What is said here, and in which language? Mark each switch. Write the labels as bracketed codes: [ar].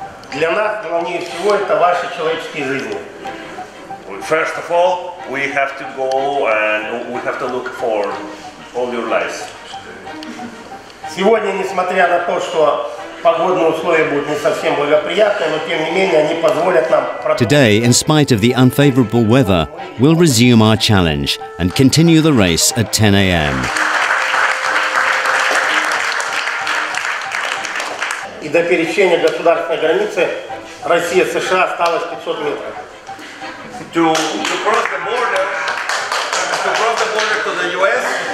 [ru] Для нас главнее всего это ваши человеческие жизни. [en] First of all, we have to go and we have to look for all your lives. [ru] Сегодня, несмотря на то, что погодные условия будут не совсем благоприятные, но тем не менее они позволят нам. [en] Today, in spite of the unfavorable weather, we'll resume our challenge and continue the race at 10 a.m. [ru] И до пересечения государственной границы Россия-США осталось 500 метров. [en] To cross the border to the U.S.